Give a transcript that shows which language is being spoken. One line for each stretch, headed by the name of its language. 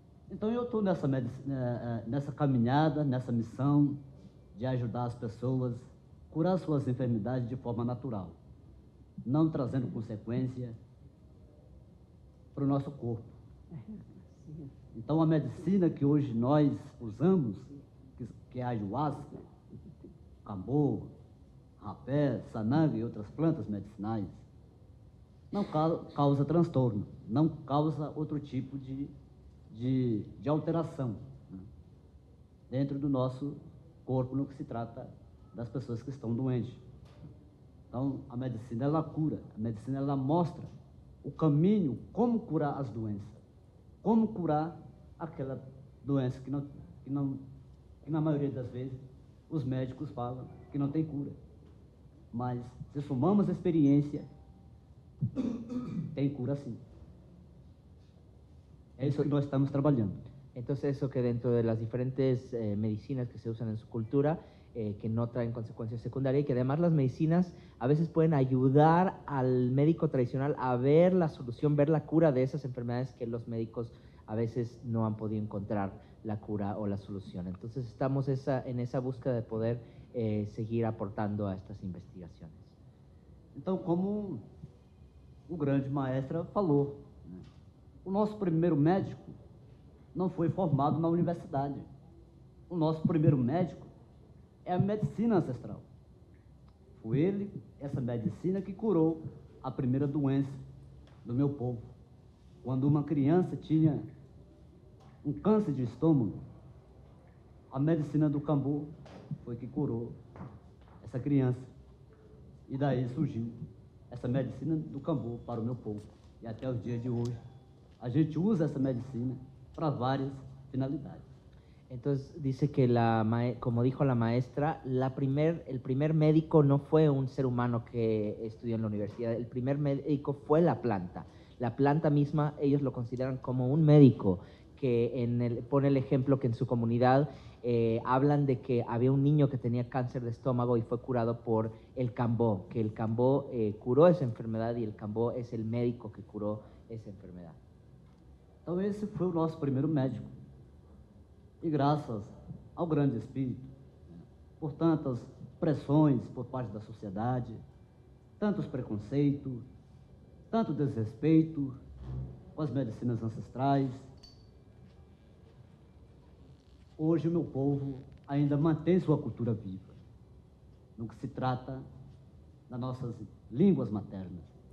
Spanish: Entonces, yo estoy en esa caminada, en esa misión de ayudar a las personas a curar sus enfermedades de forma natural,
Portuguese: no trazendo
Spanish: consecuencias para nuestro cuerpo. Entonces, la medicina que hoy nosotros usamos, que es ayahuasca, cambur, rapé, sananga
Portuguese: e outras plantas medicinais, não causa transtorno, não causa outro tipo de alteração, né, dentro do nosso corpo no que se trata das pessoas que estão doentes. Então, a medicina, ela cura. A medicina, ela mostra o caminho, como curar as doenças. Como curar aquela doença que na maioria das vezes, os médicos falam que não tem cura. Mas, se somamos experiência, tem cura sim. É isso que nós estamos trabalhando. Então, isso que
Spanish: dentro de las diferentes medicinas que
Portuguese: se usam em sua
Spanish: cultura, que no traen consecuencias secundarias y que además las medicinas a veces pueden ayudar al médico tradicional a ver la solución, ver la cura de esas enfermedades que los médicos a veces no han podido encontrar la cura o la solución. Entonces estamos en esa búsqueda de poder seguir aportando a estas investigaciones. Entonces, como el grande maestro
Portuguese: falou, o nosso primeiro médico
Spanish: no fue
Portuguese: formado na universidad. O nosso primeiro médico é a medicina ancestral. Foi ele, essa medicina, que curou a primeira doença do meu povo. Quando uma criança tinha um câncer de estômago, a medicina do cambu foi que curou essa criança. E daí surgiu essa medicina do cambu para o meu povo. E até o dia de hoje, a gente usa essa medicina para várias finalidades.
Spanish: Entonces dice que la como dijo la maestra, el primer médico no fue un ser humano que estudió en la universidad, el primer médico fue la planta. La planta misma ellos lo consideran como un médico, que pone el ejemplo que en su comunidad hablan de que había un niño que tenía cáncer de estómago y fue curado por el cambó, que el cambó curó esa enfermedad y el cambó es el médico que curó esa enfermedad. Entonces ese fue nuestro primer médico.
Portuguese: E graças ao grande espírito, por tantas pressões por parte da sociedade, tantos preconceitos, tanto desrespeito com as medicinas ancestrais, hoje o meu povo ainda mantém sua cultura viva, no que se trata das nossas línguas maternas.